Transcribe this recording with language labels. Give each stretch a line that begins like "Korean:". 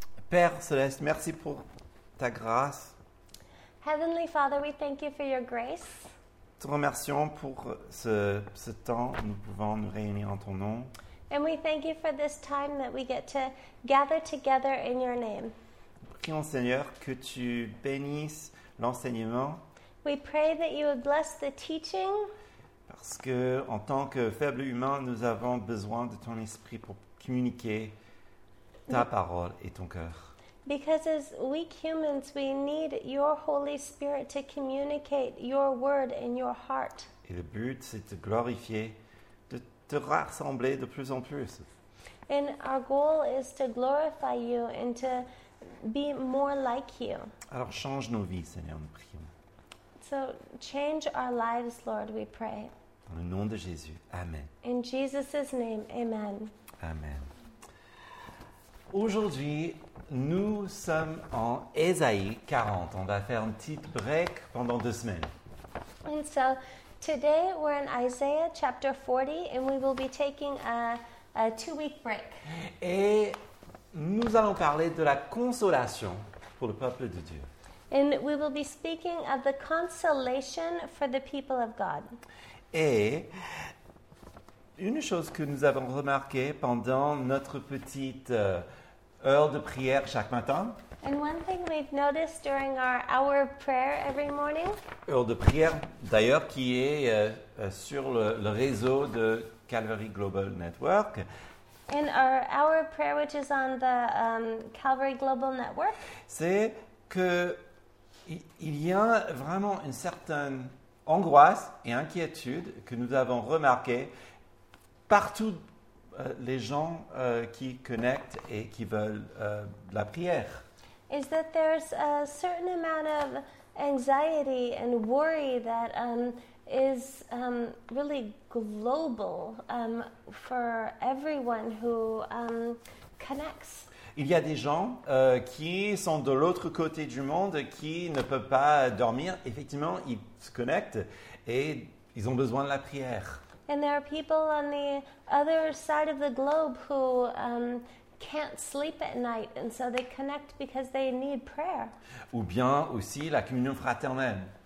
French: Père Céleste, merci pour ta grâce.
English: Heavenly Father, we thank you for your grace.
French: Te remercions pour ce temps où nous pouvons nous réunir en ton nom.
English: And we thank you for this time that we get to gather together in your name.
French: Prions Seigneur que tu bénisses l'enseignement.
English: We pray that you would bless the teaching.
French: Parce que en tant que faibles humains, nous avons besoin de ton esprit pour communiquer ta parole et ton cœur.
English: Because as weak humans, we need your Holy Spirit to communicate your word in your heart.
French: Et le but, c'est de glorifier, de te rassembler de plus en plus.
English: And our goal is to glorify you and to be more like you.
French: Alors change nos vies, Seigneur, nous prions.
English: So change our lives, Lord, we pray.
French: Dans le nom de Jésus, Amen.
English: In Jesus' name, Amen. Amen.
French: Aujourd'hui, nous sommes en Ésaïe 40. On va faire un petit break pendant deux semaines.
English: And so, today we're in Isaiah chapter 40 and we will be taking a two-week break.
French: Et nous allons parler de la consolation pour le peuple de Dieu.
English: And we will be speaking of the consolation for the people of God.
French: Et une chose que nous avons remarqué pendant notre petite heure de prière chaque matin.
English: And one thing we've noticed during our hour of prayer every morning.
French: Heure de prière, d'ailleurs, qui est sur le réseau de Calvary Global Network.
English: And our hour of prayer, which is on the Calvary Global Network.
French: C'est que il y a vraiment une certaine angoisse et inquiétude que nous avons remarqué partout. Les gens qui connectent et qui veulent la prière.
English: Is that there's a certain amount of anxiety and worry that is really global for everyone who connects.
French: Il y a des gens qui sont de l'autre côté du monde qui ne peuvent pas dormir. Effectivement, ils se connectent et ils ont besoin de la prière.
English: And there are people on the other side of the globe who can't sleep at night, and so they connect because they need prayer.
French: Ou bien aussi la communion fraternelle.